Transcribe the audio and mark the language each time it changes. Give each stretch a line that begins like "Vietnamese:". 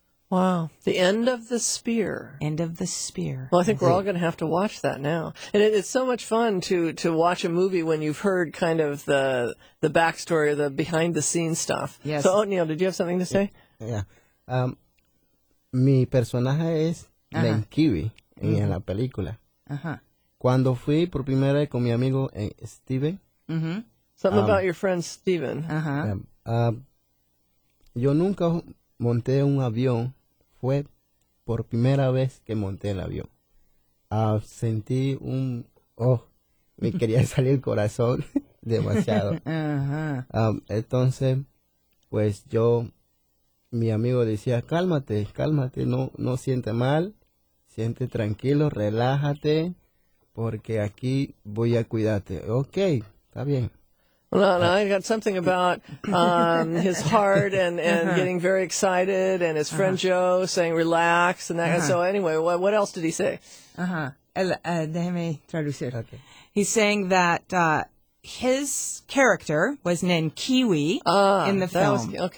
English: Wow. The End of the Spear. End of the Spear. Well, I think we're all going to have to watch that now. And it's so much fun to watch a movie when you've heard kind of the backstory, the behind-the-scenes stuff. Yes. So, Oatmeal, did you have something to say? Yeah.
Spanish: Mi personaje es Len Kiwi en la película. Cuando fui por primera vez con mi amigo Steven.
English: Something about your friend Steven.
Spanish: Yo nunca monté un avión. Fue por primera vez que monté el avión. Sentí un... Oh, me quería salir el corazón demasiado. Entonces, pues yo... Mi amigo decía, cálmate, cálmate, no siente mal, siente tranquilo, relájate, porque aquí voy a cuidarte. Okay, está bien.
English: Well, no, I got something about his heart and getting very excited, and his friend Joe saying relax and that. So anyway, what else did he say?
Spanish: Déjame traducir.
English: Okay. He's saying that his character was Nen Kiwi in the film.